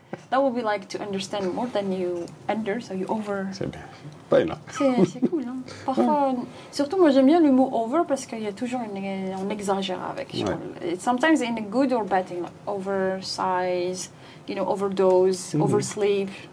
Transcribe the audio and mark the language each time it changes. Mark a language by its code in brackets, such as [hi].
[en] That would be like to understand more than you under, so you over. [fr] C'est bien. C'est cool, non? Parfois, surtout moi j'aime bien le mot over parce qu'il y a toujours on exagère avec. Ouais. [en] Sometimes in a good or bad thing, like oversize, you know, overdose, oversleep.